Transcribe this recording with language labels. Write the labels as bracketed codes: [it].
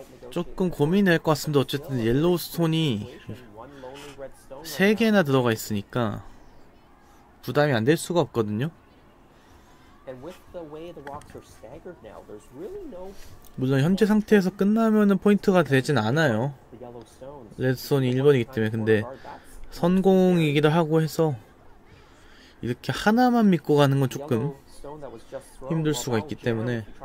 [ko] 조금 고민할 것 같습니다. 어쨌든 옐로우 스톤이 세 개나 들어가 있으니까 부담이 안 될 수가 없거든요. [en] And with the way the rocks are staggered now, there's really no. [ko] 물론 현재 상태에서 끝나면은 포인트가 되진 않아요. 레드손이 1번이기 때문에. 근데 선공이기도 하고 해서 이렇게 하나만 믿고 가는 건 조금 힘들 수가 있기 때문에.